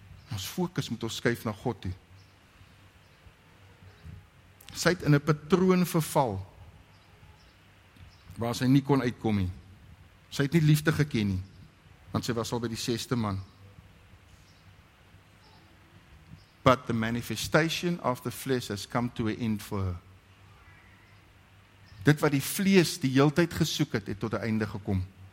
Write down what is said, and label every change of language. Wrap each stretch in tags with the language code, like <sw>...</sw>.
<af>Ons fokus moet ons skuif na God toe. Sy het in 'n patroon verval, waar sy nie kon uitkom nie. Sy het nie liefde geken nie, want sy was al by die 6de man.</af> <en>But the manifestation of the flesh has come to an end for her.</en> <af>Dit wat die vlees die heeltyd gesoek het, het tot 'n einde gekom.</af>